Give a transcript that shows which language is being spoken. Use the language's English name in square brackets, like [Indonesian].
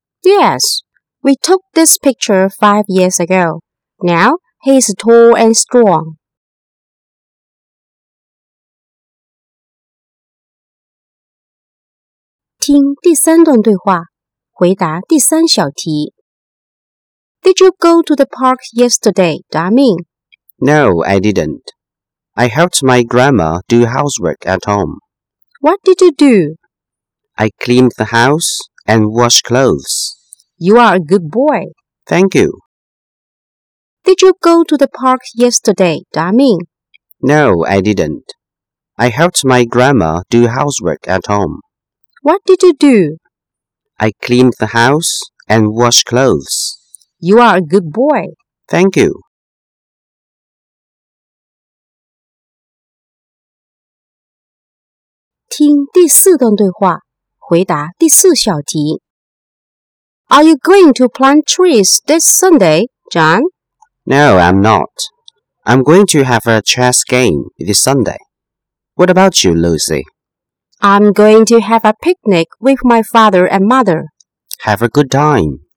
[English] Yes, we took this picture 5 years ago. Now, he's tall and strong. [Chinese] 听第三段对话，回答第三小题。 [English] Did you go to the park yesterday, darling? No, I didn't. I helped my grandma do housework at home. What did you do? I cleaned the house and washed clothes. You are a good boy. Thank you. Did you go to the park yesterday, darling? No, I didn't. I helped my grandma do housework at home. What did you do? I cleaned the house and washed clothes. You are a good boy. Thank you. [Chinese] 听第四段对话，回答第四小题。 [English] Are you going to plant trees this Sunday, John? No, I'm not. I'm going to have a chess game this Sunday. What about you, Lucy? I'm going to have a picnic with my father and mother. Have a good time.